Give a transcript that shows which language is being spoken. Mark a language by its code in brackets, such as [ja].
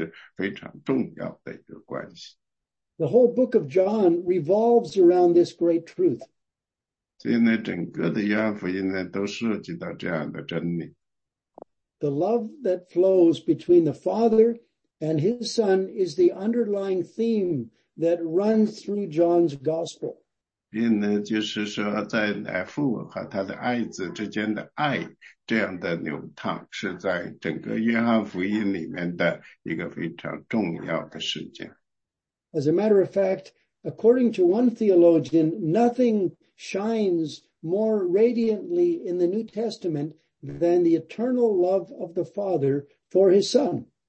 [zh] 对，那这个呢，就是说呢，在父和子之间的那个关系呢，在就是在圣经里，在那个约翰福音里是讲到，那是非常重要的一个关系。 [en] The whole book of John revolves around this great truth. [zh] 所以呢，整个的约翰福音呢，都涉及到这样的真理。 [en] The love that flows between the Father and his Son is the underlying theme that runs through John's Gospel. [zh] 并呢，就是说，在父和他的爱子之间的爱这样的流淌，是在整个约翰福音里面的一个非常重要的事件。 [en] As a matter of fact, according to one theologian, nothing shines more radiantly in the New Testament than the eternal love of the Father for his Son.